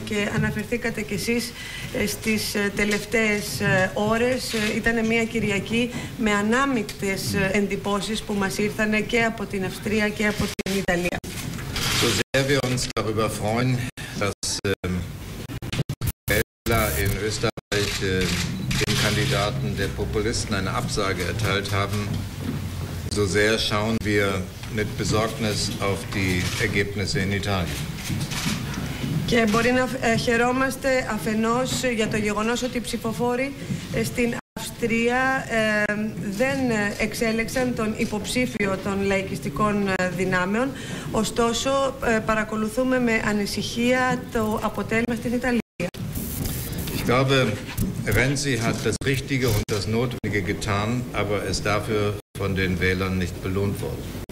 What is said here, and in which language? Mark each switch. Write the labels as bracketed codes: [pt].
[el] Και αναφερθήκατε κι εσείς στις τελευταίες ώρες. Ήταν μια Κυριακή με ανάμεικτες εντυπώσεις που μας ήρθαν και από την Αυστρία και από την Ιταλία. [de] So sehr wir uns darüber freuen, dass Wähler in Österreich den Kandidaten der Populisten eine Absage erteilt haben, so sehr schauen wir mit Besorgnis auf die Ergebnisse in Italien. [el] Και μπορεί να χαιρόμαστε αφενός για το γεγονός ότι οι ψηφοφόροι στην Αυστρία δεν εξέλεξαν τον υποψήφιο των λαϊκιστικών δυνάμεων. Ωστόσο, παρακολουθούμε με ανησυχία το αποτέλεσμα στην Ιταλία. [de] Ich glaube, Renzi hat das Richtige und das Notwendige getan, aber es dafür von den Wählern nicht belohnt worden.